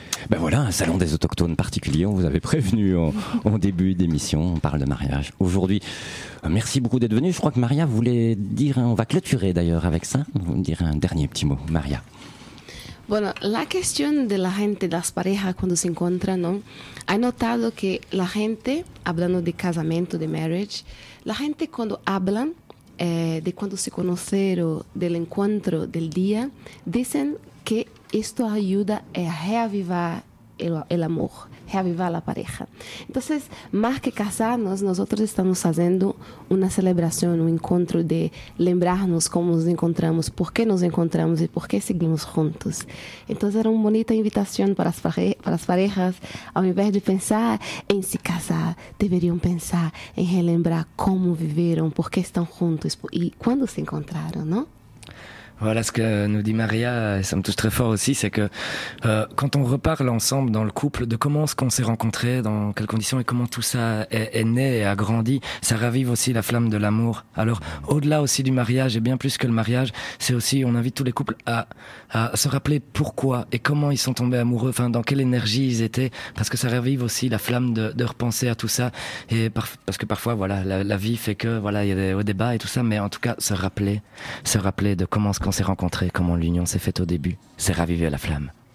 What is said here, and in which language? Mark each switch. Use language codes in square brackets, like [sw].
[fr] Ben voilà, un salon des autochtones particulier. On vous avait prévenu au début d'émission. On parle de mariage aujourd'hui. Merci beaucoup d'être venu. Je crois que Maria voulait dire. On va clôturer d'ailleurs avec ça. Vous me direz un dernier petit mot, Maria. [es] Bueno, la cuestión de la gente, las parejas cuando se encuentran, ¿no? He notado que la gente, hablando de casamiento, de marriage, la gente cuando hablan de cuando se conocieron, del encuentro, del día, dicen que esto ayuda a reavivar el amor, reavivar la pareja. Entonces, más que casarnos, nosotros estamos haciendo una celebración, un encuentro de lembrarnos cómo nos encontramos, por qué nos encontramos y por qué seguimos juntos. Entonces, era una bonita invitación para las parejas, [pt] ao invés de pensar en se casar, [es] deberían pensar en relembrar cómo vivieron, por qué están juntos y cuándo se encontraron, ¿no? [fr] Voilà ce que nous dit Maria, et ça me touche très fort aussi, c'est que quand on reparle ensemble dans le couple, de comment est-ce qu'on s'est rencontrés, dans quelles conditions et comment tout ça est né et a grandi, ça ravive aussi la flamme de l'amour. Alors au-delà aussi du mariage, et bien plus que le mariage, c'est aussi, on invite tous les couples à se rappeler pourquoi et comment ils sont tombés amoureux, enfin dans quelle énergie ils étaient, parce que ça ravive aussi la flamme de repenser à tout ça, et parce que parfois voilà, la vie fait que voilà, il y a des hauts débats et tout ça, mais en tout cas se rappeler de comment est-ce qu'on s'est rencontrés, comment l'union s'est faite au début, c'est raviver la flamme.